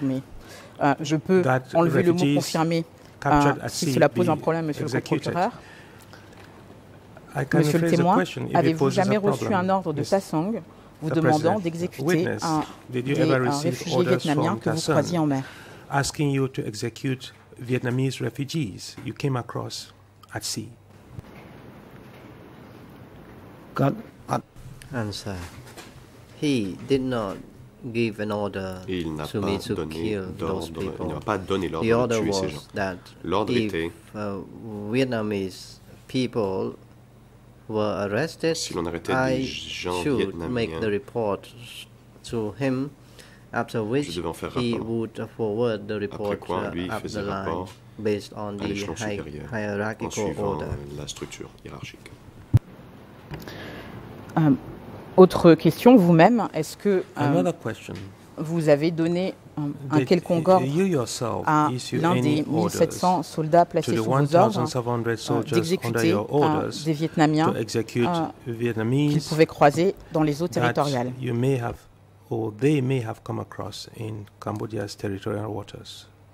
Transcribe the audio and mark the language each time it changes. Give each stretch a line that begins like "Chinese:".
French: Mais je peux enlever le mot confirmer si cela pose un problème, monsieur le procureur. Monsieur le témoin, avez-vous jamais reçu un ordre de Tassong vous demandant d'exécuter un réfugié vietnamien que vous croisiez en mer?
English: Asking you to execute Vietnamese refugees you came across at sea. God answer. He did not give an order to me to kill those people.
French: Il n'a pas donné l'ordre de tuer ces gens. L'ordre était
English: Vietnamese people were arrested,
French: si l'on arrêtait des gens vietnamiens,
English: I should make the report to him. After which he would forward the report up the line based on the hierarchical order.
French: La structure hiérarchique. Autre question, vous-même, est-ce que
English: another question.
French: Vous avez donné un quelconque ordre à l'un des 1700 soldats placés sous vos ordres d'exécuter des Vietnamiens qu'ils pouvaient croiser dans les eaux territoriales?
English: Or they may have come across in Cambodia's territorial waters.